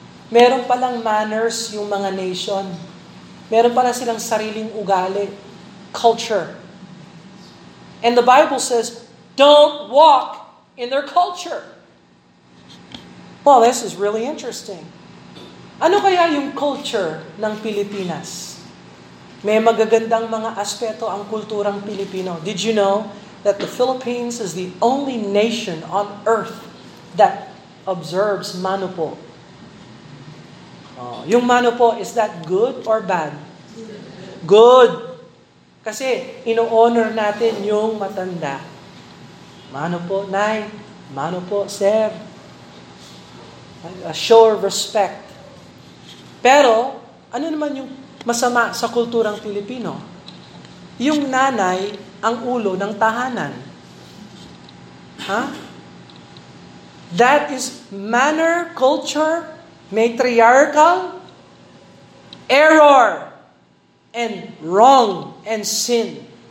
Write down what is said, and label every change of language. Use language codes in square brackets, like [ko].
[tl] Meron palang manners yung mga nation. Meron pala silang sariling ugali, culture. [en] And the Bible says, don't walk in their culture. Well, this is really interesting. [tl] Ano kaya yung culture ng Pilipinas? May magagandang mga aspeto ang kulturang Pilipino. [en] Did you know that the Philippines is the only nation on earth that observes manupo? Yung manupo, is that good or bad? [tl] Good. Kasi ino-honor natin yung matanda. Manupo, nay. [en] Manupo, sir. A show of respect. [tl] Pero, ano naman yung masama sa kulturang Pilipino? Yung nanay ang ulo ng tahanan. Huh? [en] That is manner, culture, matriarchal, error, and wrong, and sin.